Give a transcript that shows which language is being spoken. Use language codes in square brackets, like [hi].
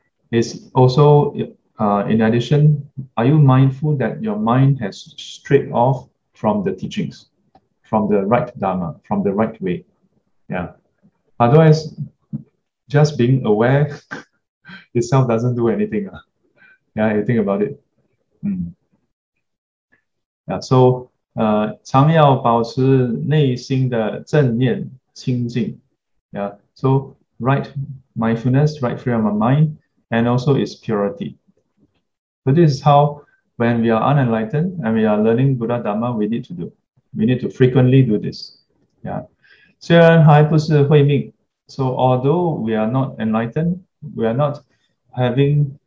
[en] It's also, in addition, are you mindful that your mind has strayed off from the teachings, from the right Dharma, from the right way? Otherwise, just being aware itself doesn't do anything. You think about it. [zh] So, 常要保持内心的正念清净. [en] So, right mindfulness, right frame of mind, and also its purity. So this is how, when we are unenlightened and we are learning Buddha Dharma, we need to do. We need to frequently do this. [zh] 虽然还不是慧命, [en] so although we are not enlightened, we are not having